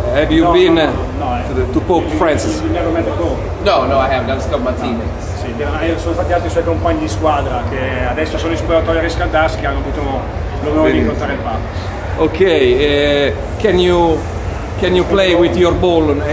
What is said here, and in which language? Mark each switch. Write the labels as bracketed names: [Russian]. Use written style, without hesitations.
[English] Have you been to Pope Francis? You never met the Pope? No, I haven't. I've just got my teammates. [Italian] Sì, sono stati altri suoi compagni di squadra che adesso sono in spogliatoio a riscaldarsi, che hanno avuto l'onore di incontrare il Papa. [English] Ok, can you play with your ball?